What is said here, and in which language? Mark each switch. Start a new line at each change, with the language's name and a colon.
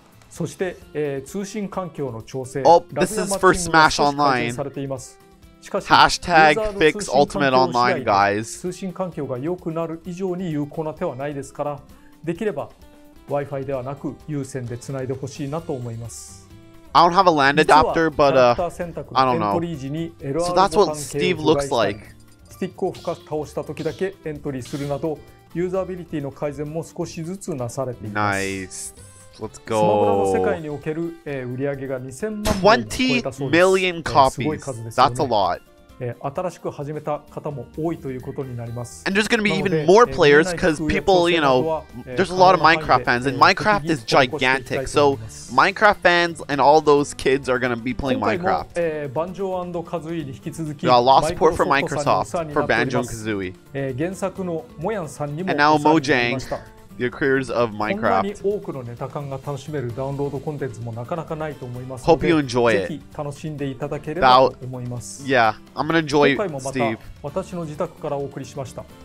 Japanese: そして、通信環境の調整、ラグマッチングが少し改善されています。しかし、
English: Hashtag fix ultimate online, guys.
Japanese: 通信環境が良くなる以上に有効な手はないですから、できれば Wi-Fi ではなく有線でつないでほしいなと思います。
English: I don't have a LAN adapter, but I don't know. So that's what Steve looks like.
Japanese: スティックを深く倒した時だけエントリーするなど、ユーザビリティの改善も少しずつなされています。
English: Nice. Let's go.
Japanese: スマブラの世界における、売上が2000万本を超えたそうです。
English: 20 million copies. That's a lot.
Japanese: 新しく始めた方も多いということになります。
English: And there's going to be even more players because people, you know, there's a lot of Minecraft fans and Minecraft is gigantic. So Minecraft fans and all those kids are going to be playing Minecraft.
Japanese: 今回もバンジョー&カズイに引き続き、
English: a lot of support from Microsoft for Banjo and Kazooie.
Japanese: 原作のモヤンさんにも、
English: and now Mojang, the creators of Minecraft.
Japanese: こんなに多くのネタ感が楽しめるダウンロードコンテンツもなかなかないと思いますので、
English: Hope you enjoy
Japanese: ぜひ楽しんでいただければと思います。
English: Yeah, I'm gonna enjoy it, Steve.
Japanese: 今回もまた私の自宅からお送りしました。